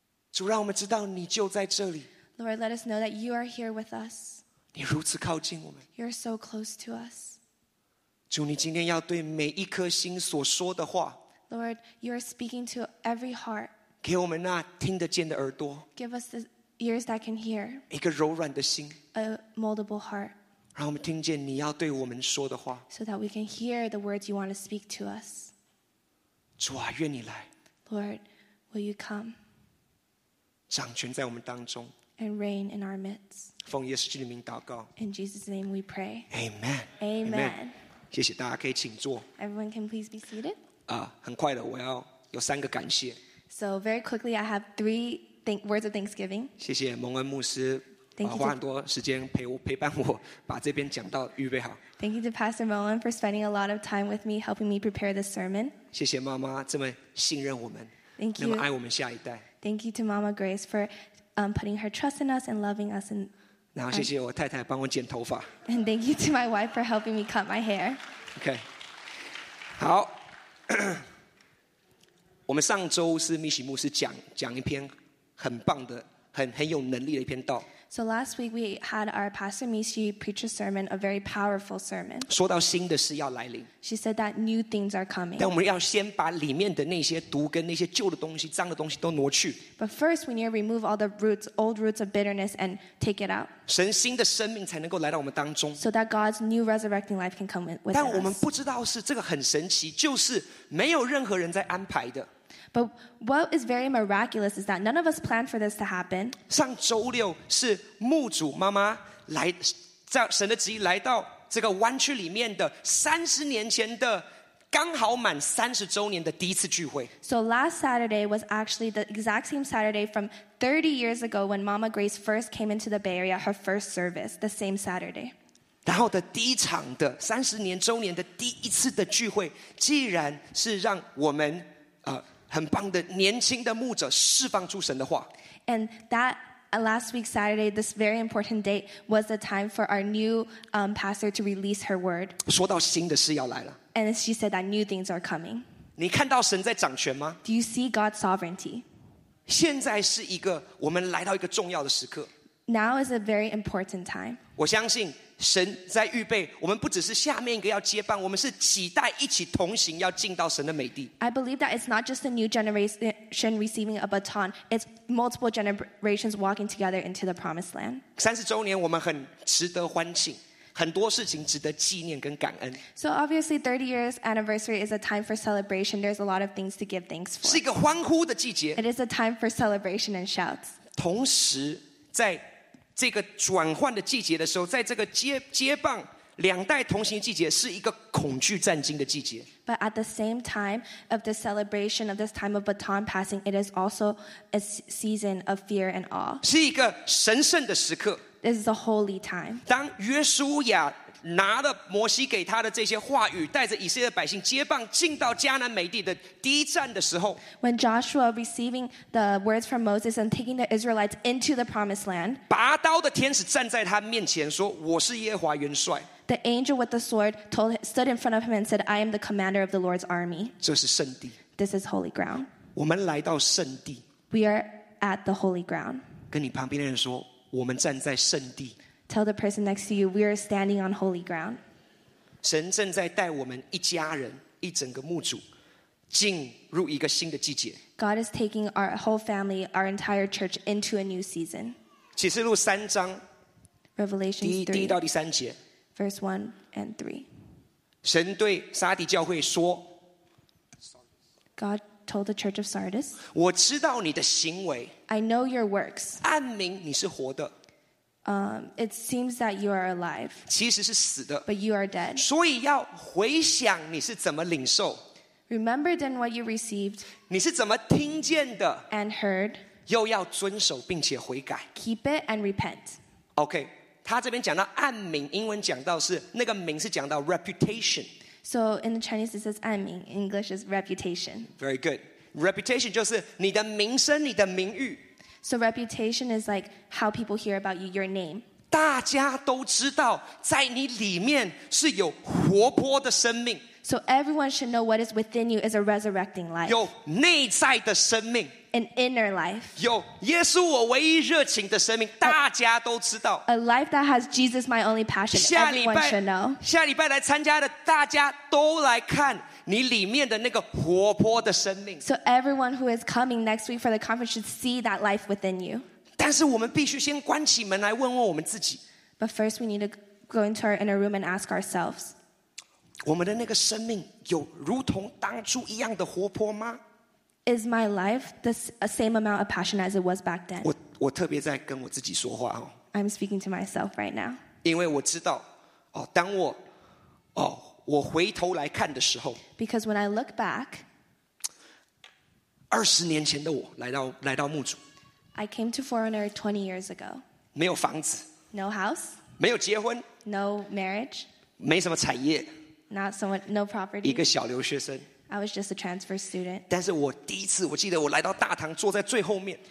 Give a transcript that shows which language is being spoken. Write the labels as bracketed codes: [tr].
[zh] 主，让我们知道你就在这里。 [en] Lord, let us know that you are here with us. [zh] 你如此靠近我们。 [en] You're so close to us. [zh] 主，你今天要对每一颗心所说的话。 [en] Lord, you are speaking to every heart. [zh] 给我们那听得见的耳朵。 [en] Give us the ears that can hear. [zh] 一个柔软的心。 [en] A moldable heart. [zh] 让我们听见你要对我们说的话。 [en] So that we can hear the words you want to speak to us. [zh] 主啊，愿你来。 [en] Lord, will you come? [zh] 掌权在我们当中。 [en] And reign in our midst. [zh] 奉耶稣基督的名祷告。 [en] In Jesus' name we pray. Amen. Amen. [zh] 谢谢大家，可以请坐。 [en] Everyone can please be seated. [zh] 很快的，我要有三个感谢。 [en] So very quickly, I have three words of thanksgiving. [zh] 谢谢蒙恩牧师，花很多时间陪伴我，把这边讲到预备好。 [en] Thank you to Pastor Mullen for spending a lot of time with me, helping me prepare this sermon. [zh] 谢谢妈妈这么信任我们。 [en] Thank you. [zh] 那么爱我们下一代。 [en] Thank you to Mama Grace for putting her trust in us and loving us. And [zh] 然后谢谢我太太帮我剪头发。 [en] And thank you to my wife for helping me cut my hair. Okay. [zh] 好，我们上周是密西牧师讲一篇很棒的、很有能力的一篇道。 [en] So last week we had our pastor Mishi preach a sermon, a very powerful sermon. [zh] 说到新的事要来临。 [en] She said that new things are coming. [zh] 但我们要先把里面的那些毒根、那些旧的东西、脏的东西都挪去。 [en] But first we need to remove all the roots, old roots of bitterness and take it out. [zh] 神新的生命才能够来到我们当中。 [en] So that God's new resurrecting life can come with us. [zh] 但我们不知道是这个很神奇，就是没有任何人在安排的。 [en] But what is very miraculous is that none of us planned for this to happen. [zh] 上周六是牧主妈妈来，在神的旨意来到这个湾区里面的三十年前的刚好满三十周年的第一次聚会。 [en] So last Saturday was actually the exact same Saturday from 30 years ago when Mama Grace first came into the Bay Area, her first service, the same Saturday. [zh] 然后的第一场的三十年周年的第一次的聚会，既然是让我们很棒的年轻的牧者释放出神的话。 [en] And that last week Saturday, this very important date was the time for our new pastor to release her word. [zh] 说到新的事要来了。 [en] And she said that new things are coming. [zh] 你看到神在掌权吗 [en] ？Do you see God's sovereignty? [zh] 现在是一个我们来到一个重要的时刻。 [en] Now is a very important time. [zh] 我相信神在预备我们，不只是下面一个要接棒，我们是几代一起同行，要进到神的美地。 [en] I believe that it's not just a new generation receiving a baton; it's multiple generations walking together into the promised land. [zh] 30周年，我们很值得欢庆，很多事情值得纪念跟感恩。 [en] So obviously, 30 years anniversary is a time for celebration. There's a lot of things to give thanks for. [zh] 是一个欢呼的季节。 [en] It is a time for celebration and shouts. [zh] 同时在这个转换的季节的时候，在这个 接棒两代同行季节，是一个恐惧战惊的季节。 [en] But at the same time of the celebration of this time of baton passing, it is also a season of fear and awe. [zh] 是一个神圣的时刻。 [en] This is a holy time. [zh] 当约书亚拿了摩西给他的这些话语，带着以色列百姓接棒进到迦南美地的第一站的时候， [en] When Joshua receiving the words from Moses and taking the Israelites into the promised land, [zh] 拔刀的天使站在他面前说，我是耶和华元帅。 [en] The angel with the sword stood in front of him and said, I am the commander of the Lord's army. [zh] 这是圣地。 [en] This is holy ground. [zh] 我们来到圣地。 [en] We are at the holy ground. [zh] 跟你旁边的人说，我们站在圣地。 [en] Tell the person next to you, we are standing on holy ground. [zh] 神正在带我们一家人，一整个牧组，进入一个新的季节。 [en] God is taking our whole family, our entire church into a new season. [zh] 启示录三章， [en] Revelation 3, [zh] 第一到第三节， [en] verse 1 and 3. [zh] 神对撒底教会说， [en] God told the church of Sardis, [zh] 我知道你的行为， [en] I know your works. [zh] 暗明你是活的。 [en] It seems that you are alive, [zh] 其实是死的， [en] but you are dead. [zh] 所以要回想你是怎么领受， [en] remember then what you received, [zh] 你是怎么听见的， [en] and heard, [zh] 又要遵守并且悔改， [en] keep it and repent. [zh] Okay, 他这边讲到暗名，英文讲到是那个名是讲到 reputation. [en] So in the Chinese it says 暗名， in English is reputation. Very good. [zh] Reputation 就是你的名声，你的名誉。 [en] So reputation is like how people hear about you, your name. [zh] 大家都知道在你里面是有活泼的生命。 [en] So everyone should know what is within you is a resurrecting life. [zh] 有内在的生命。 [en] An inner life. [zh] 有耶稣我唯一热情的生命，大家都知道。 [en] A life that has Jesus my only passion, everyone should know. [zh] 下礼拜来参加的大家都来看你里面的那个活泼的生命。 [en] So everyone who is coming next week for the conference should see that life within you. [zh] 但是我们必须先关起门来问问我们自己。 [en] But first we need to go into our inner room and ask ourselves, [zh] 我们的那个生命有如同当初一样的活泼吗？ [en] Is my life the same amount of passion as it was back then? [zh] 我特别在跟我自己说话哦。 [en] I'm speaking to myself right now. [zh] 因为我知道，哦，当我，哦，我回头来看的时候， [en] Because when I look back, [zh] 20年前的我来到牧主， [en] I came to Foreigner 20 years ago. [zh] 没有房子， [en] No house. [zh] 没有结婚， [en] No marriage. [zh] 没什么产业， [en] Not so much, no property. [zh] 一个小留学生， [en] I was just a transfer student. [zh] 但是我第一次，我记得我来到大堂，坐在最后面，